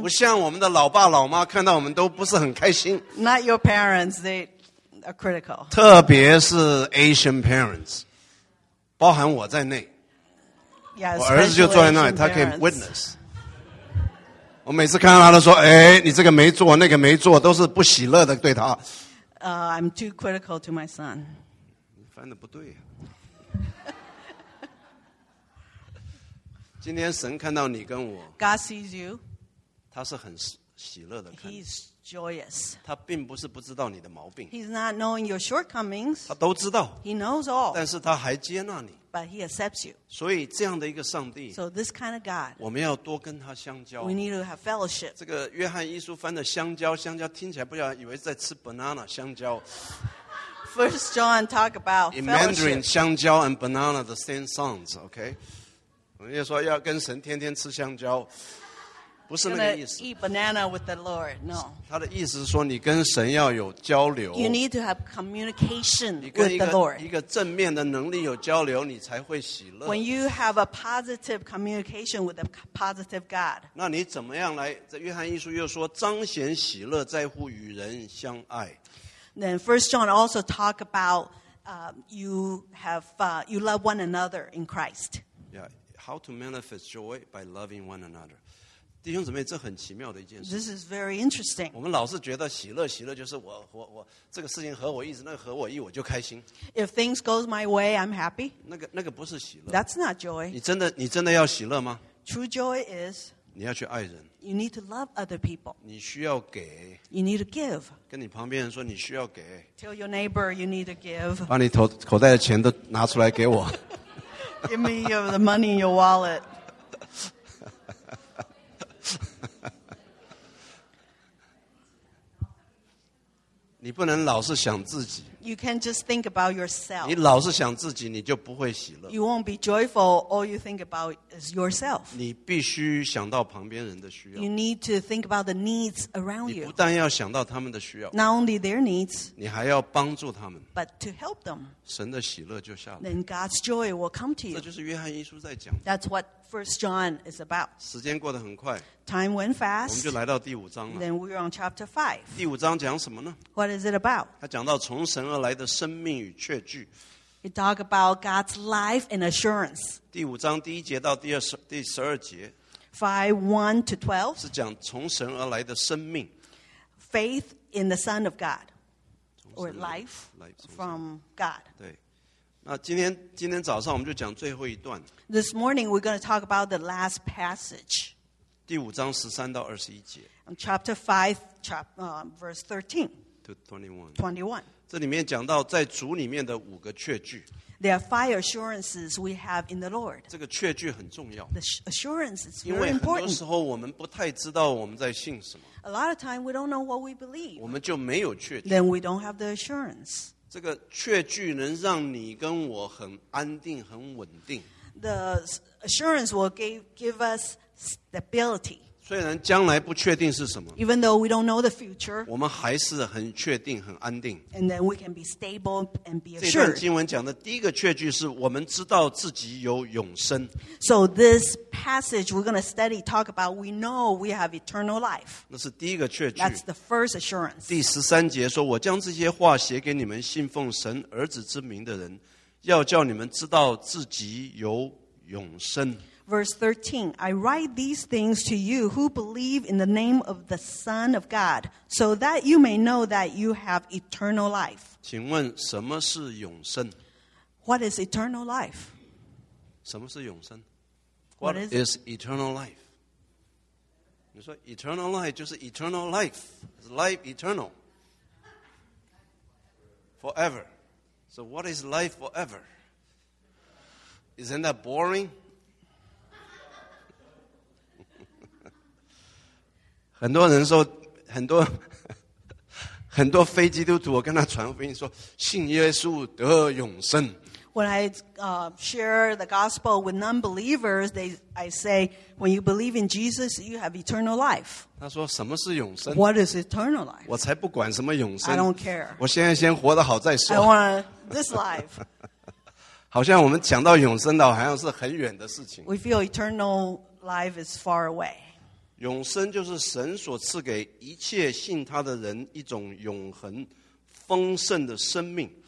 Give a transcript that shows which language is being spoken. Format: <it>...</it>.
<zh>不像我们的老爸老妈看到我们都不是很开心。</zh> <en>Not your parents, they are critical.</en> <zh>特别是</zh> <en>Asian parents,</en> <zh>包含我在内。</zh> <en>Yes,</en> <zh>我儿子就坐在那里，他可以 witness。我每次看到他都说：“哎，你这个没做，那个没做，都是不喜乐的对他。”</zh> <en>I'm too critical to my son.</en> <zh>翻得不对、啊。今天神看到你跟我。</zh> <en>God sees you.</en> <zh>他是很喜乐的看。</zh> <en>He's joyous.</en> <zh>他并不是不知道你的毛病。</zh> <en>He's not knowing your shortcomings.</en> <zh>他都知道。</zh> <en>He knows all.</en> <zh>但是他还接纳你。</zh> <en>But he accepts you.</en> <zh>所以这样的一个上帝。</zh> <en>So this kind of God.</en> <zh>我们要多跟他相交。</zh> <en>We need to have fellowship.</en> <zh>这个约翰一书翻的香蕉，香蕉听起来不像，以为在吃 banana 香蕉。</zh> <en>First John talk about in Mandarin, 香蕉 and banana the same sounds, okay?</en> <zh>我们就说要跟神天天吃香蕉，不是那个意思。</zh> <en>Eat banana with the Lord, no.</en> <zh>他的意思是说你跟神要有交流。</zh> <en>You need to have communication with the Lord.</en> <zh>你跟一个正面的能力有交流，你才会喜乐。</zh> <en>When you have a positive communication with a positive God.</en> <zh>那你怎么样来？这约翰一书又说，彰显喜乐在乎与人相爱。</zh> <en>Then First John also talk about you love one another in Christ. Yeah, how to manifest joy by loving one another.</en> <zh>弟兄姊妹，这很奇妙的一件事。</zh> <en>This is very interesting.</en> <zh>我们老是觉得喜乐，喜乐就是我这个事情合我意，那个合我意我就开心。</zh> <en>If things goes my way, I'm happy.</en> <zh>那个不是喜乐。</zh> <en>That's not joy.</en> <zh>你真的要喜乐吗</zh> <en>？True joy is.</en> <zh>你要去爱人。</zh> <en>You need to love other people.</en> <zh>你需要给。</zh> <en>You need to give.</en> <zh>跟你旁边人说你需要给。</zh> <en>Tell your neighbor you need to give.</en> <zh>把你口袋的钱都拿出来给我。</zh> <en>Give me the money in your wallet.</en> <zh>你不能老是想自己。</zh> <en>You can't just think about yourself.</en> <zh>你老是想自己，你就不会喜乐。</zh> <en>You won't be joyful. All you think about is yourself.</en> <zh>你必须想到旁边人的需要。</zh> <en>You need to think about the needs around you.</en> <zh>你不但要想到他们的需要。</zh> <en>Not only their needs.</en> <zh>你还要帮助他们。</zh> <en>But to help them.</en> <zh>神的喜乐就下来。</zh> <en>Then God's joy will come to you.</en> <zh>这就是约翰一书在讲。</zh> <en>That's what First John is about.</en> <zh>时间过得很快。</zh> <en>Time went fast.</en> <zh>我们就来到第五章了。</zh> <en>Then we're on chapter 5.</en> <zh>第五章讲什么呢？</zh> <en>What is it about?</en> <zh>他讲到从神而来的生命与确据。</zh> <en>It talk about God's life and assurance.</en> <zh>第五章第一节到第十二节。</zh> <en>5:1-12.</en> <zh>是讲从神而来的生命。</zh> <en>Faith in the Son of God. Or life from God.</en> <zh>对。那今天早上我们就讲最后一段。</zh> <en>This morning we're going to talk about the last passage.</en> <zh>第五章十三到二十一节。</zh> <en>Chapter 5, verse 13. To 21. 21.</en> <zh>这里面讲到在主里面的五个确据。</zh> <en>There are 5 assurances we have in the Lord.</en> <zh>这个确据很重要。</zh> <en>The assurance is very important.</en> <zh>因为很多时候我们不太知道我们在信什么。</zh> <en>A lot of time we don't know what we believe.</en> <zh>我们就没有确据。</zh> <en>Then we don't have the assurance.</en> <zh>这个确据能让你跟我很安定，很稳定。</zh> <en>The assurance will give us stability.</en> <zh>虽然将来不确定是什么，</zh> <en>Even though we don't know the future,</en> <zh>我们还是很确定，很安定。</zh> <en>And then we can be stable and be assured.</en> <zh>这段经文讲的第一个确据是我们知道自己有永生。</zh> <en>So this passage we're going to study talk about we know we have eternal life.</en> <zh>那是第一个确据。</zh> <en>That's the first assurance.</en> <zh>第十三节说，我将这些话写给你们信奉神儿子之名的人，要叫你们知道自己有永生。</zh> <en>Verse 13, I write these things to you who believe in the name of the Son of God, so that you may know that you have eternal life.</en> <zh>请问什么是永生？</zh> <en>What is eternal life?</en> <zh>什么是永生？</zh> <en>What is eternal life?</en> <zh>你说 eternal life 就是 eternal life.</zh> <en>It's life eternal. Forever. So what is life forever? Isn't that boring?</en> <zh>很多人说，很多非基督徒，我跟他传福音说，信耶稣得永生。</zh> <en>When I share the gospel with non-believers, I say, when you believe in Jesus, you have eternal life.</en> <zh>他说什么是永生</zh> <en>？What is eternal life?</en> <zh>我才不管什么永生。</zh> <en>I don't care.</en> <zh>我现在先活得好再说。</zh> <en>I want this life.</en> <zh>好像我们讲到永生的，好像是很远的事情。</zh> <en>We feel eternal life is far away.</en> <zh>永生就是神所赐给一切信他的人一种永恒丰盛的生命。</zh>